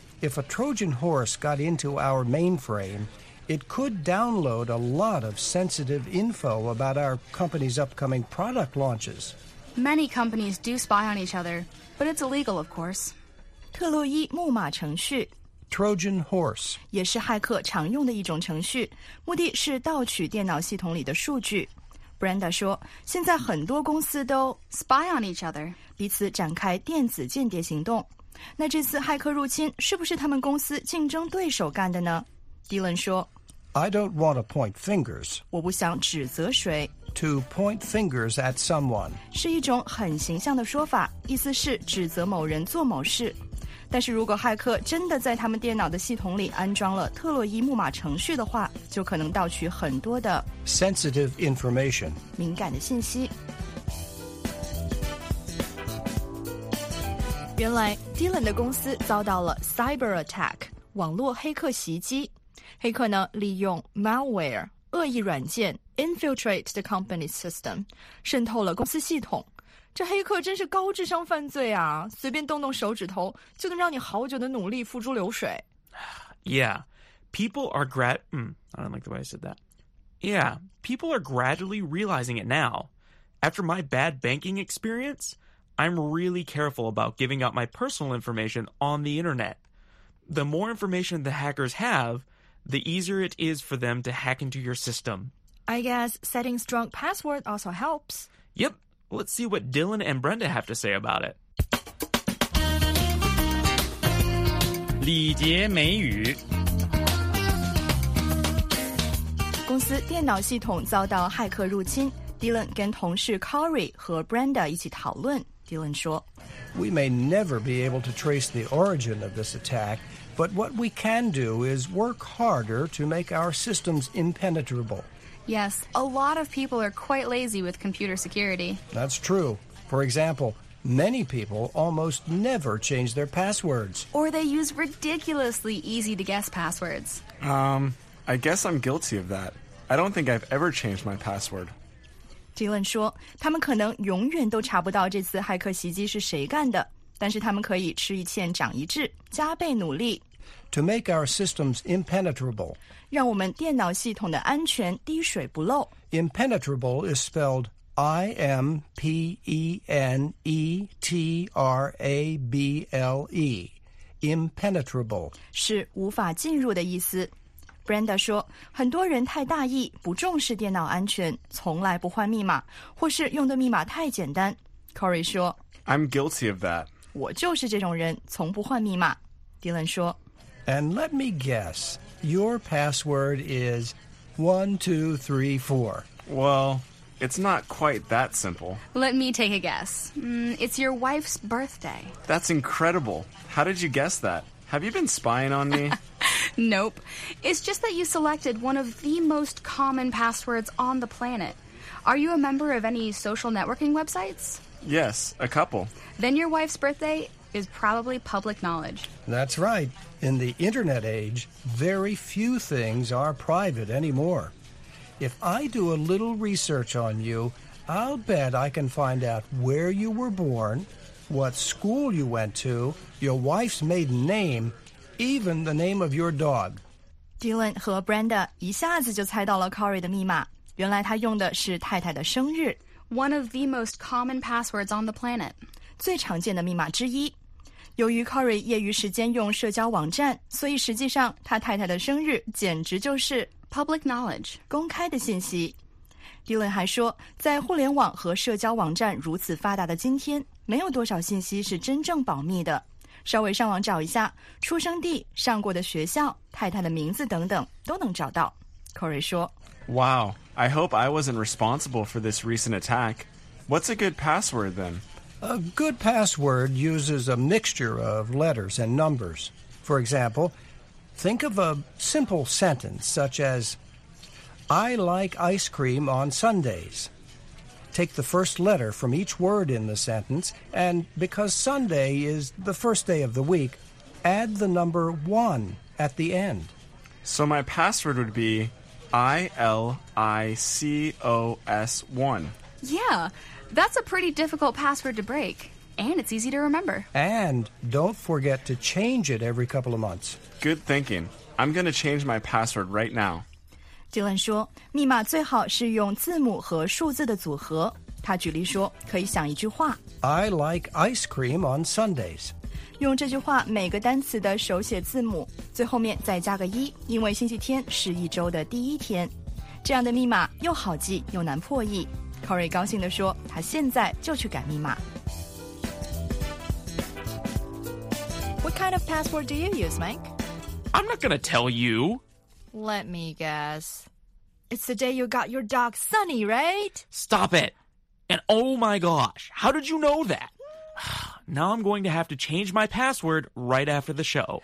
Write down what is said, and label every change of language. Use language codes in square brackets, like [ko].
[en] If a Trojan horse got into our mainframe, it could download a lot of sensitive info about our company's upcoming product launches. Many companies do spy on each other, but it's illegal, of course. [zh] 特洛伊木马程序 [en] Trojan horse [zh] 也是骇客常用的一种程序，目的是盗取电脑系统里的数据。 Brenda 说，现在很多公司都 [en] spy on each other， [zh] 彼此展开电子间谍行动。那这次骇客入侵是不是他们公司竞争对手干的呢？ Dylan 说， [en] I don't want to point fingers. [zh] 我不想指责谁。 [en] To point fingers at someone [zh] 是一种很形象的说法，意思是指责某人做某事。但是如果骇客真的在他们电脑的系统里安装了特洛伊木马程序的话，就可能盗取很多的 [en] sensitive information [zh] 敏感的信息。原来 Dylan 的公司遭到了 cyber attack 网络黑客袭击，黑客呢利用 malware 恶意软件 [en] infiltrate the company system [zh] 渗透了公司系统，这黑客真是高智商犯罪啊，随便动动手指头就能让你好久的努力付诸流水。 [en] Yeah, people are I don't like the way I said that. Yeah, people are gradually realizing it now. After my bad banking experience, I'm really careful about giving out my personal information on the internet. The more information the hackers have, the easier it is for them to hack into your system I guess setting strong password also helps. Yep. Let's see what Dylan and Brenda have to say about it. [zh] 礼节美语。公司电脑系统遭到骇客入侵。Dylan 跟同事 Corey 和 Brenda 一起讨论。 Dylan 说 [en] We may never be able to trace the origin of this attack, but what we can do is work harder to make our systems impenetrable. Yes, a lot of people are quite lazy with computer security. That's true. For example, many people almost never change their passwords. Or they use ridiculously easy-to-guess passwords. I guess I'm guilty of that. I don't think I've ever changed my password. [zh] Dylan 说，他们可能永远都查不到这次骇客袭击是谁干的，但是他们可以吃一堑长一智，加倍努力。 [en] To make our systems impenetrable. [zh] 让我们电脑系统的安全滴水不漏。 [en] Impenetrable is spelled I-M-P-E-N-E-T-R-A-B-L-E. Impenetrable. [zh] 是无法进入的意思。 Brenda 说，很多人太大意，不重视电脑安全，从来不换密码，或是用的密码太简单。 Corey 说 [en] I'm guilty of that. [zh] 我就是这种人，从不换密码。 Dylan 说 [en] And let me guess, your password is 1234. Well, it's not quite that simple. Let me take a guess. It's your wife's birthday. That's incredible. How did you guess that? Have you been spying on me? Nope. It's just that you selected one of the most common passwords on the planet. Are you a member of any social networking websites? Yes, a couple. Then your wife's birthday is probably public knowledge. That's right. In the internet age, very few things are private anymore. If I do a little research on you, I'll bet I can find out where you were born, what school you went to, your wife's maiden name, even the name of your dog. [zh] Dylan 和 Brenda 一下子就猜到了 Corey 的密码，原来他用的是太太的生日。 [en] One of the most common passwords on the planet. [zh] 最常见的密码之一。由于 Corey 业余时间用社交网站，所以实际上他太太的生日简直就是 [en] public knowledge, [zh] 公开的信息。 Dylan 还说，在互联网和社交网站如此发达的今天，没有多少信息是真正保密的。稍微上网找一下，出生地、上过的学校、太太的名字等等，都能找到。 Corey 说 [en] ，Wow, I hope I wasn't responsible for this recent attack. What's a good password then? A good password uses a mixture of letters and numbers. For example, think of a simple sentence such as, I like ice cream on Sundays. Take the first letter from each word in the sentence, and because Sunday is the first day of the week, add the number one at the end. So my password would be ILICOS1. Yeah, that's a pretty difficult password to break, and it's easy to remember. And don't forget to change it every couple of months. Good thinking. I'm going to change my password right now. [zh] Dylan 说，密码最好是用字母和数字的组合。他举例说，可以想一句话 [en] ：I like ice cream on Sundays。 [zh] 用这句话每个单词的手写字母，最后面再加个一，因为星期天是一周的第一天。这样的密码又好记又难破译。Corey 高兴地说，他现在就去改密码。 [en] What kind of password do you use, Mike? I'm not going to tell you. Let me guess. It's the day you got your dog Sunny, right? Stop it! And oh my gosh, how did you know that? Now I'm going to have to change my password right after the show.